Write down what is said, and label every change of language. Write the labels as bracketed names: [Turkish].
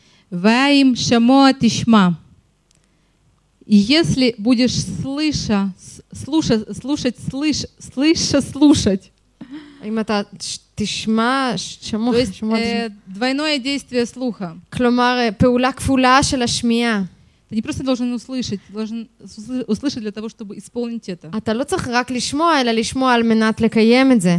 [Hebrew] Ваим шамоа тишма. [Russian] Если будешь слушать. [Hebrew] אם אתה תשמע, שמוע, [Russian] то есть, שמוע, двойное действие слуха. [Hebrew] כלומר, פעולה כפולה של השמיעה. [Russian] Ты не просто должен услышать, должен услышать для того, чтобы исполнить это. [Hebrew] אתה לא צריך רק לשמוע, אלא לשמוע על מנת לקיים את זה.